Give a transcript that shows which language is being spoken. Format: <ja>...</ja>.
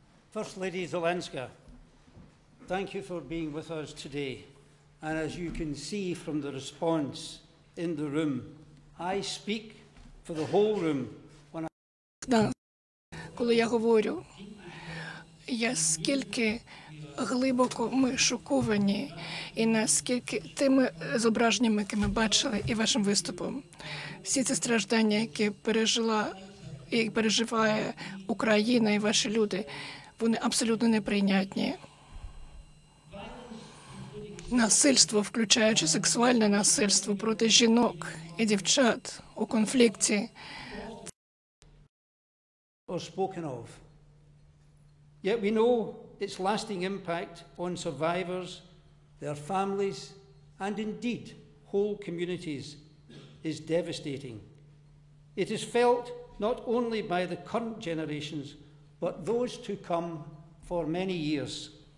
<en>First Lady Zelenska, thank you for being with us today. And as you can see from the response in the room, I speak for the whole room. When I</en> <uk>коли я говорю, я скільки глибоко ми шоковані і наскільки тими зображеннями, які ми бачили і вашим виступом, всі ці страждання, які пережила і переживає Україна і ваші люди. Вони абсолютно неприйнятні. Насильство, включаючи сексуальне насильство проти жінок і дівчат у конфлікті.</uk> <en>Spoken of. Yet we know its lasting impact on survivors, their families, and indeed whole communities is devastating. It is felt not only by the current generations, but those to come for many years.</en>